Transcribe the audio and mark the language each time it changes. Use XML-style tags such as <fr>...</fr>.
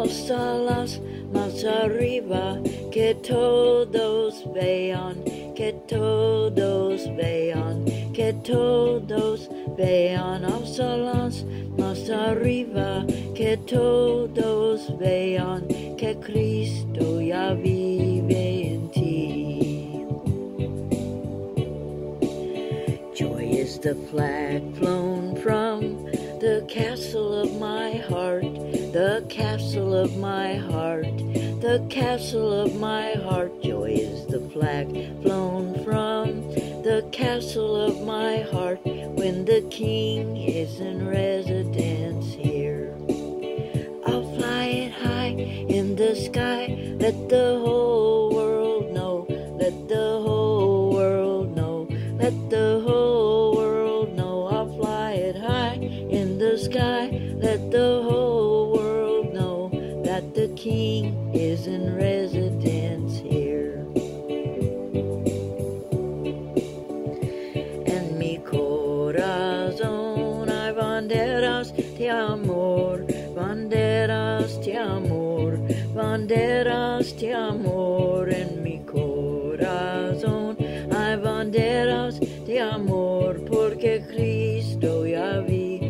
<es>Alas más arriba, que todos vean, que todos vean, que todos vean. Alas más arriba, que todos vean, que Cristo ya vive en ti.</es> <en>Joy is the flag flown from the castle of my heart, the castle of my heart, the castle of my heart. Joy is the flag flown from the castle of my heart, when the king is in residence here. I'll fly it high in the sky, let the whole world know, let the whole world know, let the whole world know. I'll fly it high in the sky, let the whole world know that the king is in residence here.</en> <es>En mi corazón hay banderas de amor, banderas de amor, banderas de amor. En mi corazón hay banderas de amor, porque Cristo ya vive.</es>